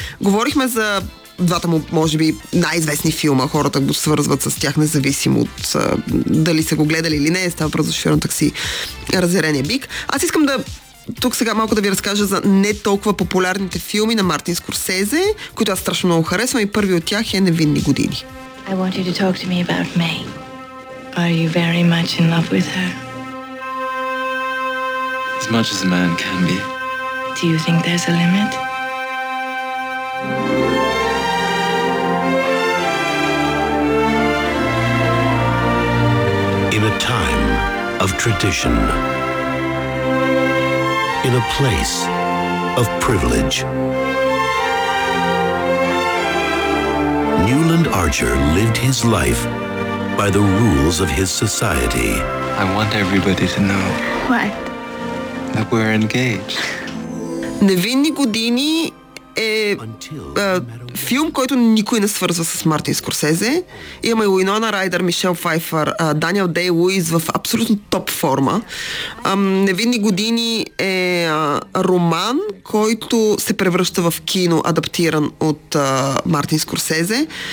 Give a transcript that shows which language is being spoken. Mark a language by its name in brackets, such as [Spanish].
[Bulgarian] Говорихме за двата му, може би, най-известни филма. Хората го свързват с тях, независимо от дали са го гледали или не. Става просто Шофьорно такси, Разярения бик. Аз искам да тук сега малко да ви разкажа за не толкова популярните филми на Мартин Скорсезе, които аз страшно много харесвам и първи от тях е Невинни години. [English] I want you to talk to me about May. Are you very much in love with her? As much as a man can be. Do you think there's a limit? In a time of tradition. In a place of privilege. Newland Archer lived his life by the rules of his society. I want everybody to know. What? That we're engaged. [Bulgarian] Невинни години е филм, който никой не свързва с Мартин Скорсезе. Имаме Уинона Райдер, Мишел Файфър, Даниел Дей Луис в абсолютно топ форма. Невинни години е роман, който се превръща в кино, адаптиран от Мартин Скорсезе.